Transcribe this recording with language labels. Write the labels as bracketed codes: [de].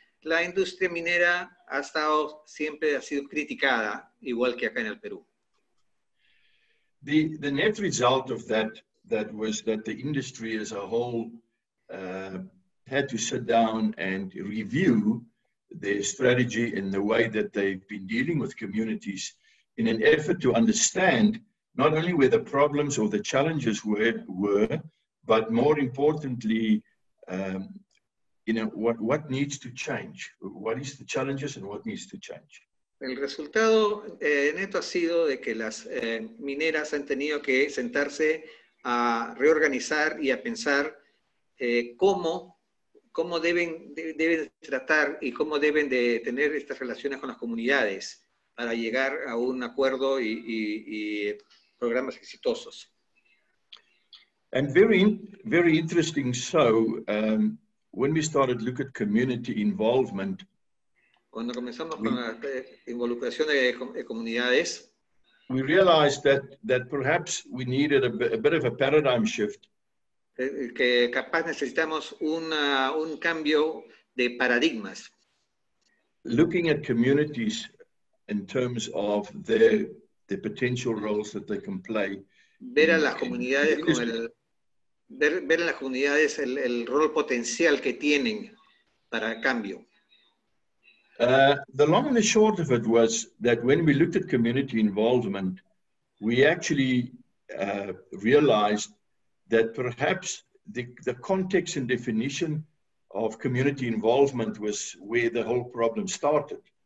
[es] la industria minera ha estado siempre ha sido criticada, igual que acá en el Perú. [en] The net result of that was that the industry as a whole had to sit down and review their strategy and the way that they've been dealing with communities in an effort to understand not only where the problems or the challenges were, but more importantly, what needs to change? What is the challenges and what needs to change? [es] El resultado neto ha sido de que las mineras han tenido que sentarse a reorganizar y a pensar cómo deben tratar y cómo deben de tener estas relaciones con las comunidades para llegar a un acuerdo y programas exitosos. [en] And very, very interesting. So, when we started to look at community involvement, [es] cuando comenzamos con la involucración de comunidades, [en] we realized that perhaps we needed a bit of a paradigm shift. [es] Que capaz necesitamos un cambio de paradigmas. [en] Looking at communities in terms of the potential roles that they can play. [es] Ver a las comunidades ver en las comunidades el rol potencial que tienen para el cambio. [en] The long and the short of it was that when we looked at community involvement, we actually realized that perhaps the context and definition of community involvement was where the whole problem started.